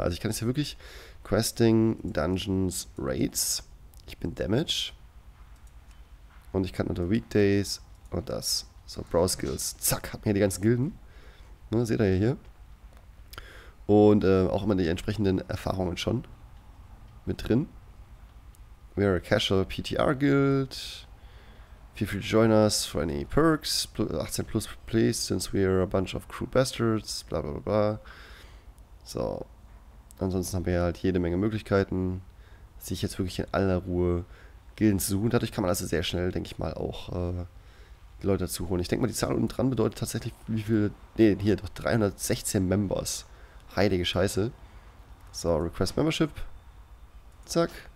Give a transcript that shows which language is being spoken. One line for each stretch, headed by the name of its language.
German: Also ich kann es ja wirklich Questing, Dungeons, Raids. Ich bin Damage. Und ich kann unter Weekdays und das. So, Brawl Skills. Zack, hat mir die ganzen Gilden. Ne, seht ihr hier. Und auch immer die entsprechenden Erfahrungen schon mit drin.
English: We are a casual PTR Guild. Feel free to join us for any perks. 18 plus, please, since we are a bunch of crude bastards.
German: Bla bla bla. So. Ansonsten haben wir halt jede Menge Möglichkeiten, sich jetzt wirklich in aller Ruhe Gilden zu suchen. Dadurch kann man also sehr schnell, denke ich mal, auch die Leute dazu holen. Ich denke mal, die Zahl unten dran bedeutet tatsächlich, wie viel. Ne, hier doch 316 Members. Heilige Scheiße. So, Request Membership. Zack.